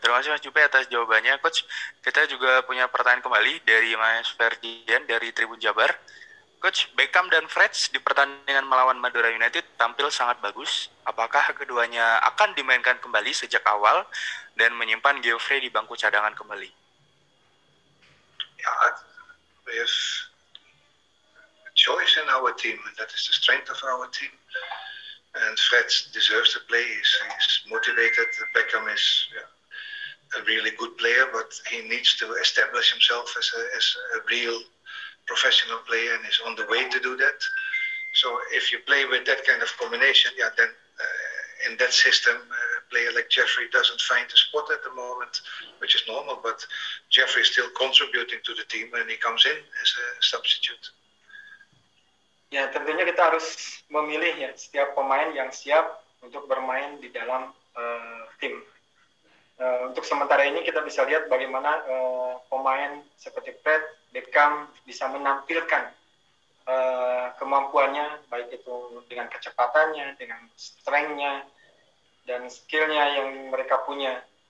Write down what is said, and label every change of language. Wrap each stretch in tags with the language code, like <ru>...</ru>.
<id>Terima kasih Mas Jupe atas jawabannya. Coach, kita juga punya pertanyaan kembali dari Mas Ferdian dari Tribun Jabar. Coach, Beckham dan Freds di pertandingan melawan Madura United tampil sangat bagus. Apakah keduanya akan dimainkan kembali sejak awal dan menyimpan Geoffrey di bangku cadangan kembali? Ya, yes.</id> <en>Choice in our team, and that is the strength of our team. And Freds deserves to play. He's motivated. Beckham is a really good player, but he needs to establish himself as a real professional player, and is on the way to do that. So if you play with that kind of combination, yeah, then in that system, a player like Geoffrey doesn't find a spot at the moment, which is normal, but Geoffrey is still contributing to the team when he comes in as a substitute.</en> <id>Ya, tentunya kita harus memilih ya setiap pemain yang siap untuk bermain di dalam tim. Untuk sementara ini kita bisa lihat bagaimana pemain seperti Fred Beckham bisa menampilkan kemampuannya, baik itu dengan kecepatannya, dengan strength-nya, dan skill-nya yang mereka punya.</id>